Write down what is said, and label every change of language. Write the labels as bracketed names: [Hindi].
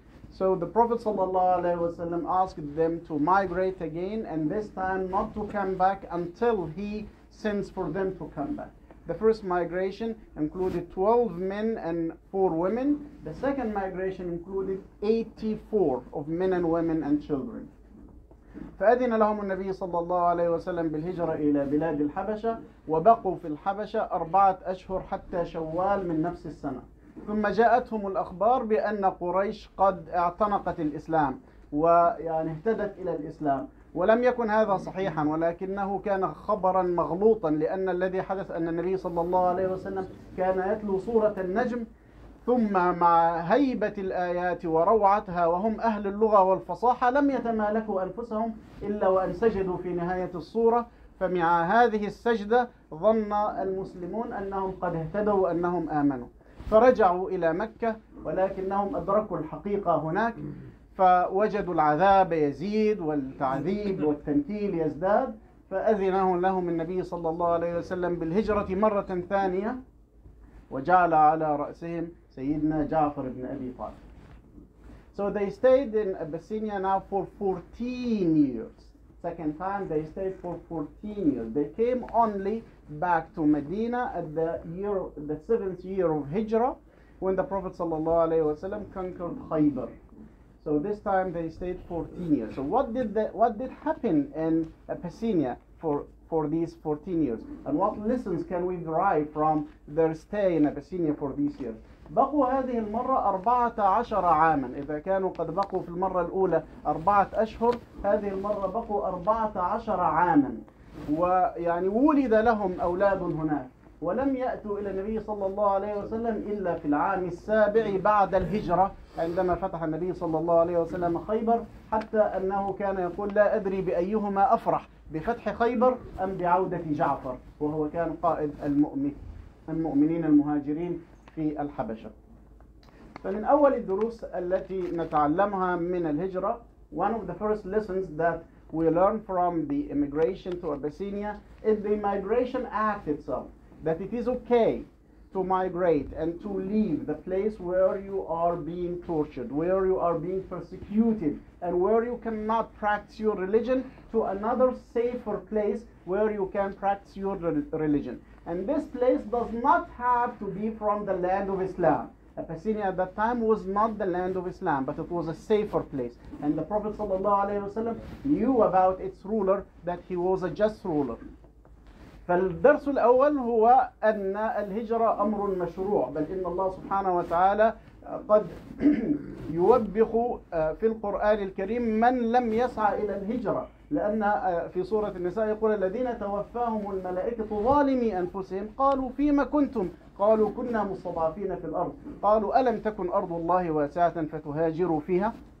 [English] So the Prophet ﷺ asked them to migrate again, and this time not to come back until he sends for them to come back. The first migration included 12 men and 4 women. The second migration included 84 of men and women and children. [Arabic] فأذن لهم النبي صلى الله عليه وسلم بالهجرة إلى بلاد الحبشة، وبقوا في الحبشة 4 أشهر حتى شوال من نفس السنة. ثم جاءتهم الأخبار بأن قريش قد اعتنقت الإسلام ويعني اهتدت إلى الإسلام. ولم يكن هذا صحيحا، ولكنه كان خبرا مغلوطا، لأن الذي حدث أن النبي صلى الله عليه وسلم كان يتلو سورة النجم، ثم مع هيبة الآيات وروعتها وهم أهل اللغة والفصاحة لم يتمالكوا أنفسهم إلا وأن سجدوا في نهاية السورة، فمع هذه السجدة ظن المسلمون أنهم قد اهتدوا وأنهم آمنوا. فرجعوا إلى مكة، ولكنهم أدركوا الحقيقة هناك، فوجدوا العذاب يزيد والتعذيب والتنكيل يزداد، فأذنه لهم النبي صلى الله عليه وسلم بالهجرة مرة ثانية، وجعل على رأسهم سيدنا جعفر بن أبي طالب. [English] So they stayed in Abyssinia now for 14 years. Second time they stayed for 14 years. They came only back to Medina at the year, the seventh year of Hijra, when the Prophet sallallahu alaihi wasallam conquered Khaybar. So this time they stayed 14 years. So what did happen in Abyssinia for these 14 years? And what lessons can we derive from their stay in Abyssinia for these years? [Arabic] بقوا هذه المرة 14 عاما، إذا كانوا قد بقوا في المرة الأولى 4 أشهر، هذه المرة بقوا 14 عاما، ويعني ولد لهم أولاد هناك، ولم يأتوا إلى النبي صلى الله عليه وسلم إلا في العام السابع بعد الهجرة، عندما فتح النبي صلى الله عليه وسلم خيبر، حتى أنه كان يقول لا أدري بأيهما أفرح، بفتح خيبر أم بعودة جعفر، وهو كان قائد المؤمنين المهاجرين في الحبشة. فمن أول الدروس التي نتعلمها من الهجرة، [English] one of the first lessons that we learn from the immigration to Abyssinia is the migration act itself, that it is okay to migrate and to leave the place where you are being tortured, where you are being persecuted, and where you cannot practice your religion to another safer place where you can practice your religion. And this place does not have to be from the land of Islam. Abyssinia at that time was not the land of Islam, but it was a safer place. And the Prophet ﷺ knew about its ruler, that he was a just ruler. [Arabic] فالدرس الأول هو أن الهجرة أمر مشروع، بل إن الله سبحانه وتعالى قد يوبخ في القرآن الكريم من لم يسعى إلى الهجرة، لأن في سورة النساء يقول الذين توفاهم الملائكة ظالمي أنفسهم قالوا فيما كنتم؟ قالوا كنا مستضعفين في الأرض، قالوا ألم تكن أرض الله واسعة فتهاجروا فيها؟